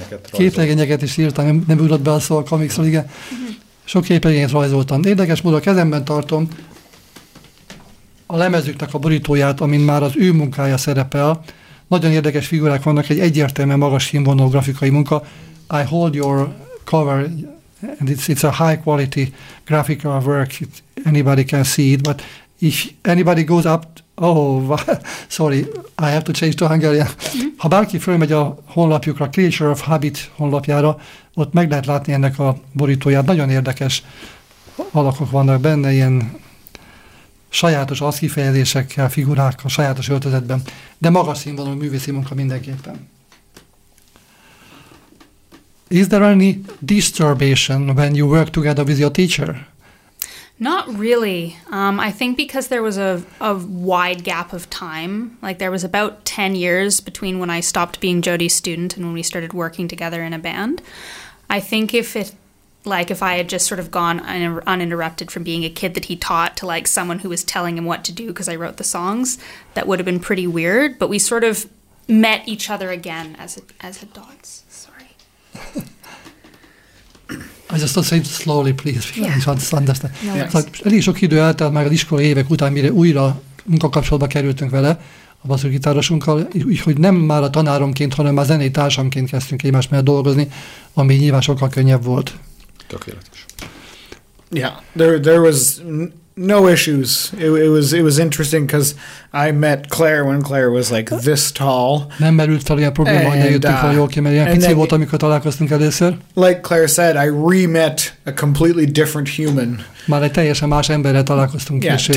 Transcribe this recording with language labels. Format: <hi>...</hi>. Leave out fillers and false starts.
<hu>Képregényeket is írtam, nem ugrott be a szó a komikszor, igen. Sok képregényet rajzoltam. Érdekes módon a kezemben tartom a lemezüknek a borítóját, amin már az ő munkája szerepel. Nagyon érdekes figurák vannak, egy egyértelműen magas színvonalú grafikai munka.</hu> <en>I hold your cover, and it's a high quality graphical work. Anybody can see it, but if anybody goes up... Oh, sorry, I have to change to Hungarian.</en> <hu>Ha bárki fölmegy a honlapjukra, Creature of Habit honlapjára, ott meg lehet látni ennek a borítóját. Nagyon érdekes alakok vannak benne, ilyen sajátos aszkifejezésekkel, figurák a sajátos öltözetben, de magas színvonalú művészi munka mindenképpen.</hu> <en>Is there any disturbation when you work together with your teacher? Not really. I think because there was a wide gap of time, like there was about 10 years between when I stopped being Jody's student and when we started working together in a band. I think if I had just sort of gone uninterrupted from being a kid that he taught to like someone who was telling him what to do because I wrote the songs, that would have been pretty weird. But we sort of met each other again as adults. I just say slowly, please. Yeah. Understand.</en> <hu>No, szóval elég sok idő eltelt már az iskola évek után, mire újra munkakapcsolatba kerültünk vele, a basszusgitárosunkkal, úgyhogy nem már a tanáromként, hanem már zenei társamként kezdtünk egymás mellett dolgozni, ami nyilván sokkal könnyebb volt. Tökéletes.</hu> <en>Yeah, there was no issues. It was interesting because I met Claire when Claire was like this tall.</en> <hu>Nem merült fel ilyen probléma, hogy eljöttünk fel jól ki, mert ilyen pici volt, amikor találkoztunk először.</hu> <en>Like Claire said, I re-met a completely different human.</en> <hu>Már egy teljesen más emberrel találkoztunk később.</hu>